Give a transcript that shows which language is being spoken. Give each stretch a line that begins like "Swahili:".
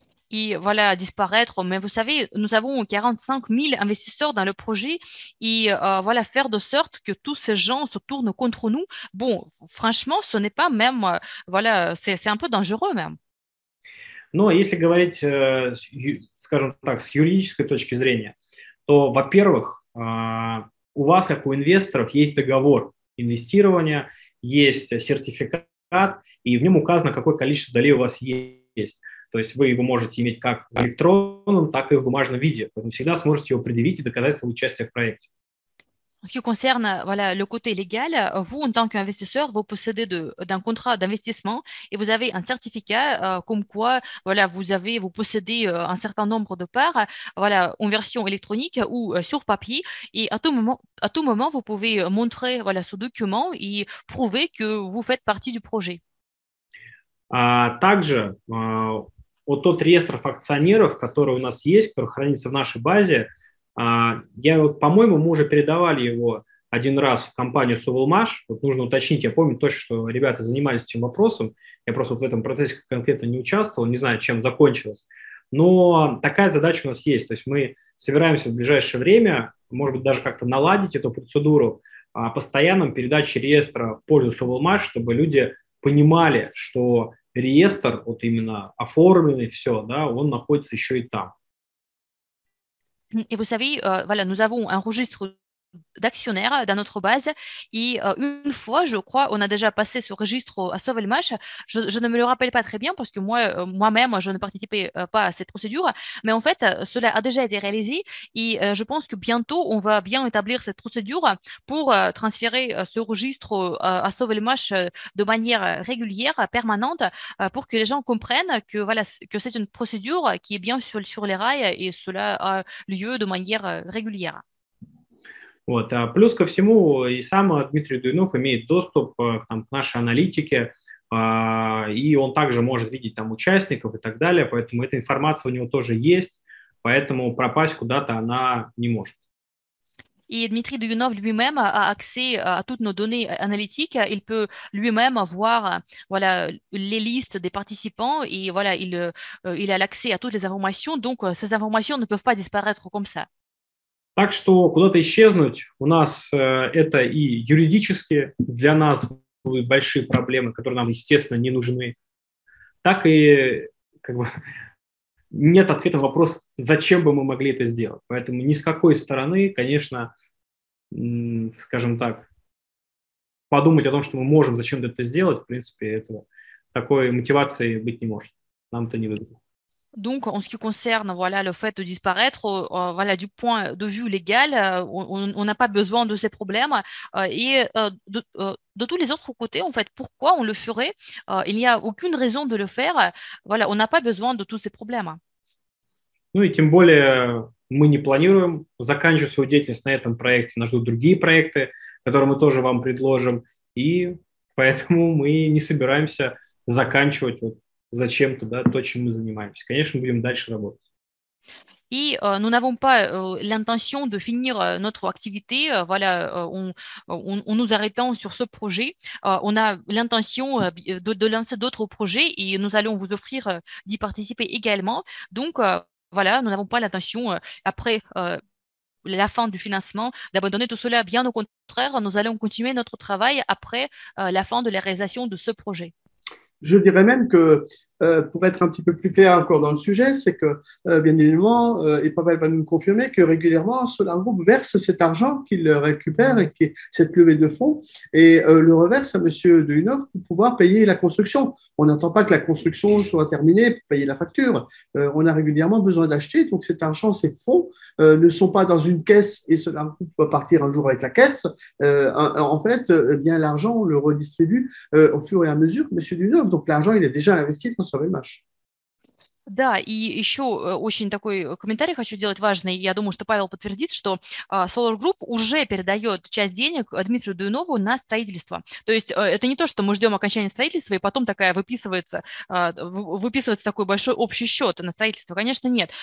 French: Et voilà, disparaître. Mais vous savez, nous avons 45 000 investisseurs dans le projet et voilà, faire de sorte que tous ces gens se tournent contre nous. Bon, franchement, ce n'est pas même, voilà, c'est un peu dangereux même.
Russian: Но если говорить, скажем так, с юридической точки зрения, то, во-первых, у вас, как у инвесторов, есть договор инвестирования, есть сертификат, и в нем указано, какое количество долей у вас есть. То есть вы его можете иметь как в электронном, так и в бумажном виде. Поэтому всегда сможете его предъявить и доказать свое участие в проекте.
French: En ce qui concerne voilà, le côté légal, vous, en tant qu'investisseur, vous possédez d'un contrat d'investissement et vous avez un certificat comme quoi voilà, vous possédez un certain nombre de parts voilà, en version électronique ou sur papier. Et à tout moment, vous pouvez montrer voilà, ce document et prouver que vous faites partie du projet.
Russian: Также, вот тот реестр акционеров, который у нас есть, который хранится в нашей базе, по-моему, мы уже передавали его один раз в компанию «Совулмаш». Вот нужно уточнить, я помню точно, что ребята занимались этим вопросом. Я просто вот в этом процессе конкретно не участвовал, не знаю, чем закончилось. Но такая задача у нас есть. То есть мы собираемся в ближайшее время, может быть, даже как-то наладить эту процедуру постоянной передачи реестра в пользу «Совулмаш», чтобы люди понимали, что реестр, вот именно оформленный, все, да, он находится еще и там.
French: Et vous savez, voilà, nous avons un registre d'actionnaires dans notre base et une fois, je crois, on a déjà passé ce registre à Sauvelmash. Je ne me le rappelle pas très bien parce que moi-même, je ne participais pas à cette procédure. Mais en fait, cela a déjà été réalisé et je pense que bientôt, on va bien établir cette procédure pour transférer ce registre à Sauvelmash de manière régulière, permanente, pour que les gens comprennent que, voilà, que c'est une procédure qui est bien sur les rails et cela a lieu de manière régulière.
Russian: Вот. А плюс ко всему, и сам Дмитрий Дуйнов имеет доступ там, к нашей аналитике, и он также может видеть там участников и так далее, поэтому эта информация у него тоже есть, поэтому пропасть куда-то она не может.
French: Et Dmitri Dounov lui-même a accès à toutes nos données analytiques. Il peut lui-même voir voilà, les listes des participants et voilà, il a l'accès à toutes les informations. Donc, ces informations ne peuvent pas disparaître comme ça.
Russian: Так что куда-то исчезнуть у нас это и юридически для нас будут большие проблемы, которые нам, естественно, не нужны. Так и как бы нет ответа на вопрос, зачем бы мы могли это сделать. Поэтому ни с какой стороны, конечно, скажем так, подумать о том, что мы можем зачем-то это сделать, в принципе, этого такой мотивации быть не может. Нам это не выгодно.
French: Donc, en ce qui concerne voilà, le fait de disparaître, voilà, du point de vue légal, on n'a pas besoin de ces problèmes. Et de tous les autres côtés, en fait, pourquoi on le ferait? Il n'y a aucune raison de le faire. Voilà, on n'a pas besoin de tous ces problèmes.
Russian: Ну, и тем более, мы не планируем заканчивать свою деятельность на этом проекте. Нас ждут другие проекты, которые мы тоже вам предложим. И поэтому мы не собираемся заканчивать вот зачем-то, да, то, чем мы занимаемся. Конечно, мы будем дальше работать.
French: И nous n'avons pas l'intention de finir notre activité, voilà, on nous arrêtant sur ce projet. On a l'intention de lancer d'autres projets et nous allons vous offrir d'y participer également. Donc, voilà, nous n'avons pas l'intention, après la fin du financement, d'abandonner tout cela. Bien au contraire, nous allons continuer notre travail après la fin de la réalisation de ce projet. Je dirais même que Pour être un petit peu plus clair encore dans le sujet, c'est que, bien évidemment, et Pavel va nous confirmer que régulièrement, Solar Group verse cet argent qu'il récupère, et cette levée de fonds, et le reverse à M. Dehunov pour pouvoir payer la construction. On n'attend pas que la construction soit terminée pour payer la facture. On a régulièrement besoin d'acheter, donc cet argent, ces fonds, ne sont pas dans une caisse et Solar Group va partir un jour avec la caisse. En fait, l'argent, on le redistribue au fur et à mesure, M. Dehunov. Donc l'argent, il est déjà investi.
Russian: Да, и еще очень такой комментарий хочу делать важный. Я думаю, что Павел подтвердит, что Solar Group уже передает часть денег Дмитрию Дуйнову на строительство. То есть это не то, что мы ждем окончания строительства, и потом такая выписывается такой большой общий счет на строительство. Конечно, нет.